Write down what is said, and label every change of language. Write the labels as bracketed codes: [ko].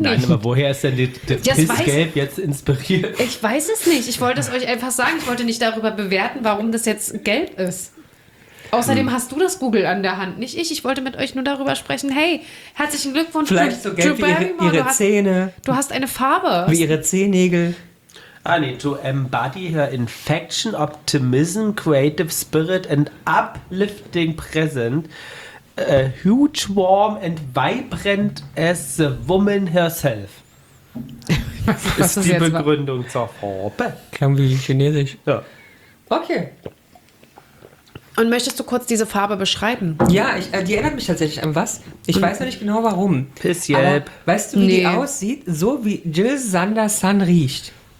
[de] Nein, aber woher ist denn das Pissgelb jetzt inspiriert? Ich weiß es nicht. Ich wollte es euch einfach sagen. Ich wollte nicht darüber bewerten, warum das jetzt gelb ist. Außerdem hast du das Google an der Hand, nicht ich. Ich wollte mit euch nur darüber sprechen. Hey, herzlichen Glückwunsch. Vielleicht so gelb wie ihre Zähne. Du hast eine Farbe. Wie ihre Zehennägel. Ah nee, [en] to embody her infection, optimism, creative spirit and uplifting present. Huge, warm and vibrant as the woman herself. [de] Was ist die Begründung zur Farbe. Klang wie Chinesisch. Ja. Okay. Und möchtest du kurz diese Farbe beschreiben? Ja, die erinnert mich tatsächlich an was. Ich weiß noch nicht genau, warum. Pissgelb. Weißt du, wie die aussieht? So wie Jill Sanderson riecht.